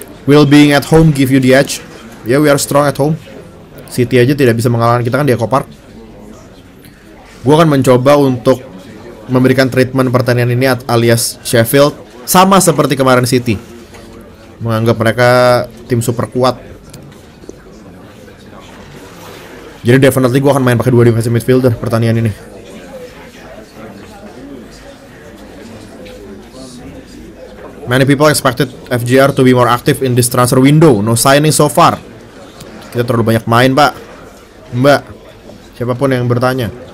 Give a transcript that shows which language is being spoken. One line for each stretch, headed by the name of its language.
English: Will being at home give you the edge? Yeah, we are strong at home.
Indonesian: City aja tidak bisa mengalahkan kita kan di Eco Park. Gue akan mencoba untuk memberikan treatment pertandingan ini alias Sheffield sama seperti kemarin City, menganggap mereka tim super kuat. Jadi definitely gue akan main pakai 2 defensive midfielder pertandingan ini.
English: Many people expected FGR to be more active in this transfer window. No signing so far.
Indonesian: Kita terlalu banyak main, Pak. Mbak, siapapun yang bertanya.